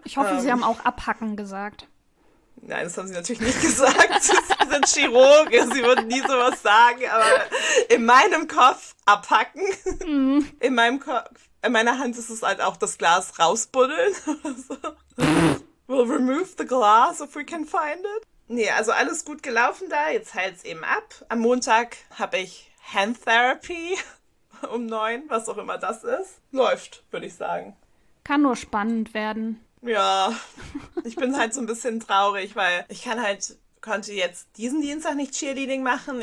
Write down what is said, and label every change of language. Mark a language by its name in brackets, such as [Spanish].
[German] Ich hoffe, Sie haben auch abhacken gesagt. Nein, das haben sie natürlich nicht gesagt. Sie sind Chirurgen, sie würden nie sowas sagen, aber in meinem Kopf abhacken. In meinem Kopf, in meiner Hand ist es halt auch das Glas rausbuddeln. [English] We'll remove the glass if we can find it. [German] Nee, also alles gut gelaufen da. Jetzt heilt es eben ab. Am Montag habe ich Hand Therapy um 9, was auch immer das ist. Läuft, würde ich sagen. Kann nur spannend werden. Ja. Ich bin halt so ein bisschen traurig, weil ich konnte jetzt diesen Dienstag nicht Cheerleading machen.